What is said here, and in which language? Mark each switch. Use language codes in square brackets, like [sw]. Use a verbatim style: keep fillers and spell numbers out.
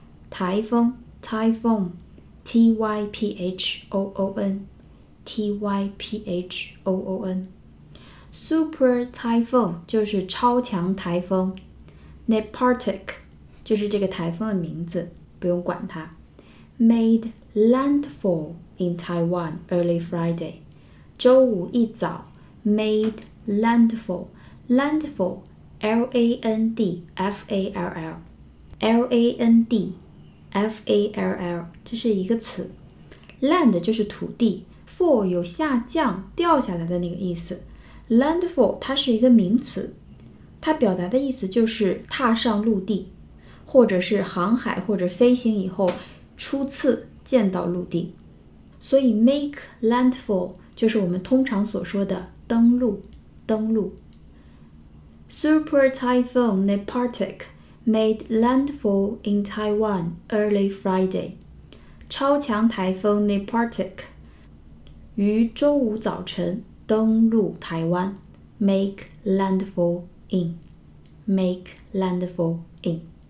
[en] 台风 Typhoon T Y P H O O N T Y P H O O N。 [zh] Super Typhoon 就是超强台风， Nepatak 就是这个台风的名字，不用管它。 [en] Made landfall in Taiwan early Friday， [zh] 周五一早 [en] Made landfall Landfall L A N D F A L L L A N D F A L L [zh] 这是一个词。 land 就是土地， fall 有下降掉下来的那个意思， landfall 它是一个名词，它表达的意思就是踏上陆地，或者是航海或者飞行以后初次见到陆地。所以 make landfall 就是我们通常所说的登陆登陆。 [en] Super Typhoon Nepatak made landfall in Taiwan early Friday， [zh] 超强台风 Nepatak 于周五早晨登陆台湾， [en] make landfall in make landfall in。